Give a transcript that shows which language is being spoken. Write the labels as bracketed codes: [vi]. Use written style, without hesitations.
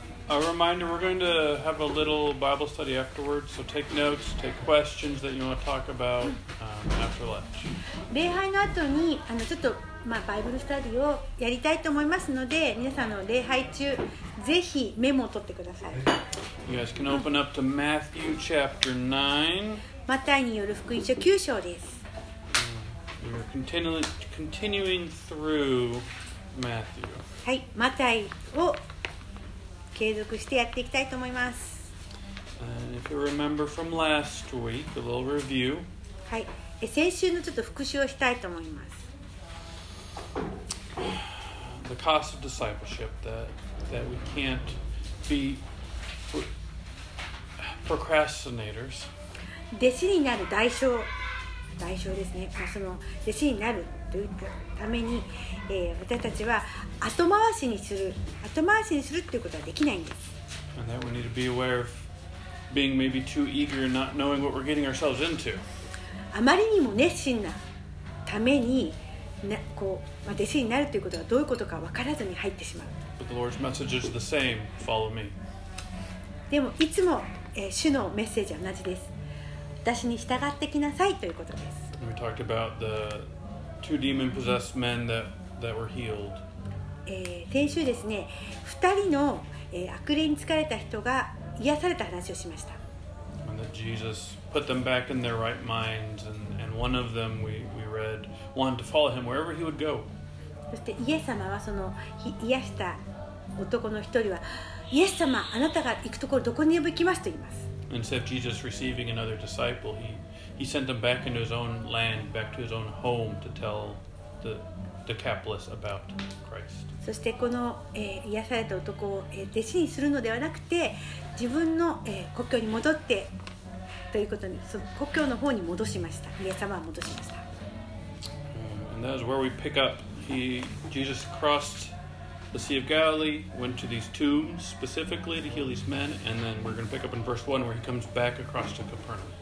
[en] A reminder, we're going to have a little Bible study afterwards, so take notes, take questions that you want to talk about after lunch. [ja] 礼拝の後に、ちょっと、バイブルスタディをやりたいと思いますので、皆さんの礼拝中、ぜひメモを取ってください。 [en] You guys can open up to Matthew chapter 9. [ja] マタイによる福音書9章です。 [en] We're continuing through Matthew. [ja] はい、マタイを継続してやっていきたいと思います。 [en] And if you remember from last week, a little review. [ja] はい、先週のちょっと復習をしたいと思います。 [en] The cost of discipleship that we can't be procrastinators. [ja] 弟子になる代償ですね。その弟子になるというために、私たちは後回しにするっていうことはできないんです。 [en] And that we need to be aware of being maybe too eager and not knowing what we're getting ourselves into. [ja] あまりにも熱心なためにね、こう、弟子になるということはどういうことか分からずに入ってしまう。 [en] But the Lord's message is the same. Follow me. [ja] でもいつも、主のメッセージは同じです。私に従ってきなさいということです。 [en] We talked about the two demon-possessed men that were healed. [ja] 先週ですね、2人の、悪霊に疲れた人が癒された話をしました。 [en] And that Jesus put them back in their right minds, and one of them we read wanted to follow him wherever he would go. [ja] そしてイエス様はその癒した男の一人はイエス様あなたが行くところどこにでも行きますと言います。 [en] Instead of Jesus receiving another disciple, he sent them back into his own land, back to his own home to tell the Decapolis about Christ. [ja] そしてこの、癒された男を弟子にするのではなくて自分の、故郷に戻ってということにその故郷の方に戻しましたイエス様は戻しました、 [en] And that is where we pick up. Jesus crossed the Sea of Galilee, went to these tombs specifically to heal these men, and then we're going to pick up in verse 1 where he comes back across to Capernaum.